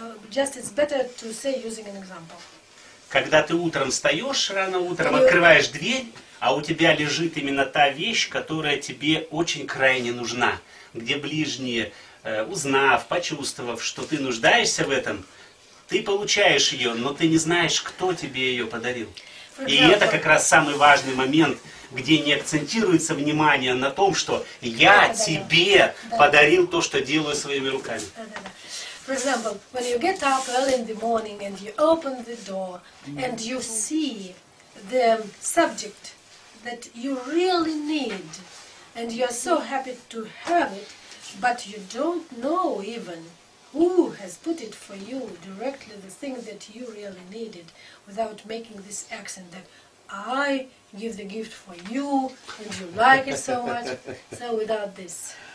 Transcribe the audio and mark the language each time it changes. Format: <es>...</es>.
<en>Just it's better to say using an example.</en> <ru>Когда ты утром встаешь, рано утром, открываешь дверь, а у тебя лежит именно та вещь, которая тебе очень крайне нужна, где ближние, узнав, почувствовав, что ты нуждаешься в этом, ты получаешь ее, но ты не знаешь, кто тебе ее подарил. И это как раз самый важный момент, где не акцентируется внимание на том, что я тебе подарил то, что делаю своими руками.</ru> <en>For example, when you get up early in the morning and you open the door and you see the subject that you really need and you are so happy to have it, but you don't know even who has put it for you directly, the thing that you really needed, without making this accent that I give the gift for you and you like it so much, so without this.</en>